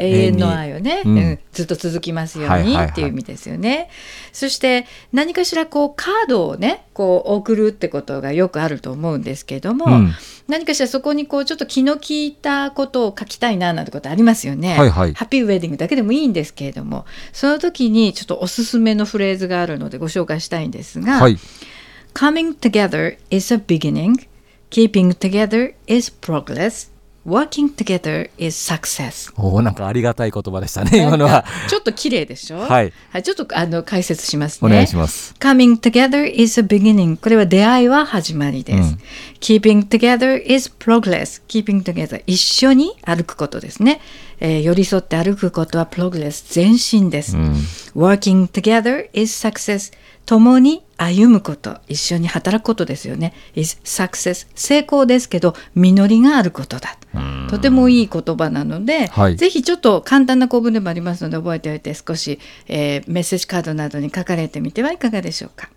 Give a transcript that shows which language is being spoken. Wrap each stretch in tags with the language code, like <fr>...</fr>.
<ja>永遠の愛をね、うん、ずっと続きますようにっていう意味ですよね、はいはいはい、そして何かしらこうカードをねこう送るってことがよくあると思うんですけども、うん、何かしらそこにこうちょっと気の利いたことを書きたいななんてことありますよね、はいはい、ハッピーウェディングだけでもいいんですけれども、その時にちょっとおすすめのフレーズがあるのでご紹介したいんですが、はい、</ja> <en>Coming together is a beginning. Keeping together is progress. Working together is success.</en> <ja>おお、なんかありがたい言葉でしたね今のは。ちょっと綺麗でしょ。はい、はい、ちょっとあの解説しますね。お願いします。</ja> <en>Coming together is a beginning.</en> <ja>これは出会いは始まりです。うん、</ja> <en>Keeping together is progress. Keeping together</en> <ja>一緒に歩くことですね、寄り添って歩くことは progress 前進です、うん。</ja> <en>Working together is success.</en> <ja>共に歩むこと、一緒に働くことですよね。</ja> <en>Is success</en> <ja>成功ですけど、実りがあることだ。とてもいい言葉なので、はい、ぜひちょっと簡単な構文でもありますので覚えておいて、少し、メッセージカードなどに書かれてみてはいかがでしょうか。</ja>